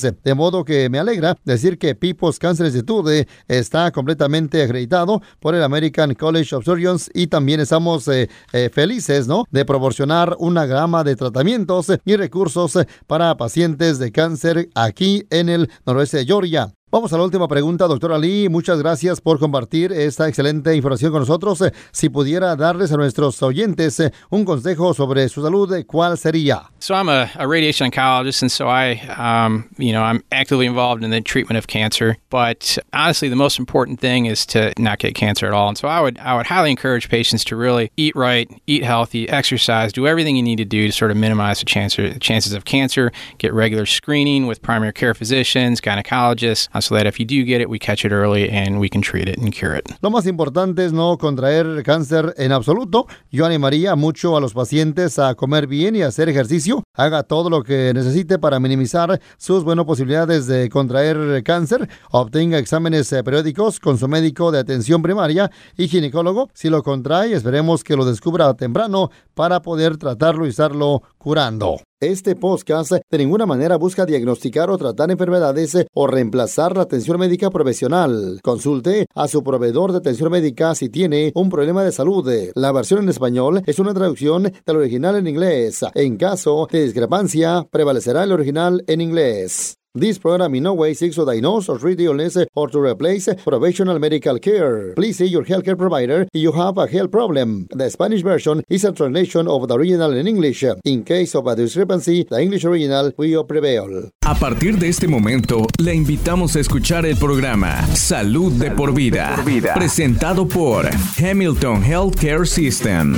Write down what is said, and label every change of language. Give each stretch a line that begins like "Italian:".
Spanish: De modo que me alegra decir que People's Cancer Institute está completamente acreditado por el American College of Surgeons y también estamos felices, ¿no?, de proporcionar una gama de tratamientos y recursos para pacientes de cáncer aquí en el noroeste de Georgia. Vamos a la última pregunta, doctora Lee. Muchas gracias por compartir esta excelente información con nosotros. Si pudiera darles a nuestros oyentes un consejo sobre su salud, ¿cuál sería?
English: So I'm a radiation oncologist, and so I, you know, I'm actively involved in the treatment of cancer. But honestly, the most important thing is to not get cancer at all. And so I would highly encourage patients to really eat right, eat healthy, exercise, do everything you need to do to sort of minimize the chances of cancer. Get regular screening with primary care physicians, gynecologists, so that if you do get it, we catch it early and we can treat it and cure it.
Spanish: Lo más importante es no contraer cáncer en absoluto. Yo animaría mucho a los pacientes a comer bien y hacer ejercicio. Haga todo lo que necesite para minimizar sus buenas posibilidades de contraer cáncer. Obtenga exámenes periódicos con su médico de atención primaria y ginecólogo. Si lo contrae, esperemos que lo descubra temprano para poder tratarlo y estarlo curando. Este podcast de ninguna manera busca diagnosticar o tratar enfermedades o reemplazar la atención médica profesional. Consulte a su proveedor de atención médica si tiene un problema de salud. La versión en español es una traducción del original en inglés. En caso de discrepancia, prevalecerá el original en inglés.
English: This program in no way seeks to diagnose or treat illness or to replace professional medical care. Please see your healthcare provider if you have a health problem. The Spanish version is a translation of the original in English. In case of a discrepancy, the English original will prevail.
Spanish: A partir de este momento, le invitamos a escuchar el programa Salud de por vida, presentado por Hamilton Healthcare System.